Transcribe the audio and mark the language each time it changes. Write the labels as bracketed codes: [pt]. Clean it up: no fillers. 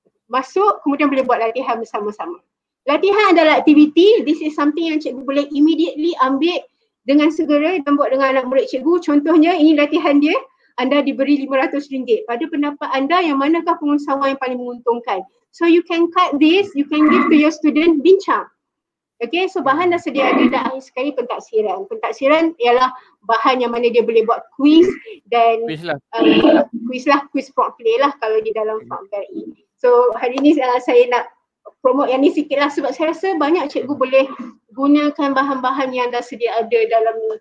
[ms] Masuk, kemudian boleh buat latihan bersama-sama. Latihan adalah aktiviti. [en] This is something [ms] yang cikgu boleh immediately ambil dengan segera dan buat dengan anak murid cikgu. Contohnya, ini latihan dia. Anda diberi RM500. Pada pendapat anda, yang manakah pengusaha yang paling menguntungkan? [en] So you can cut this, you can give to your student, [ms] bincang. Okay, so bahan dah sedia ada, dah akhir sekali pentaksiran. Pentaksiran ialah bahan yang mana dia boleh buat quiz dan quiz lah, quiz lah, quiz prompt play lah kalau di dalam FAPBRI. So hari ni saya nak promote yang ni sikit lah sebab saya rasa banyak cikgu boleh gunakan bahan-bahan yang dah sedia ada dalam ni.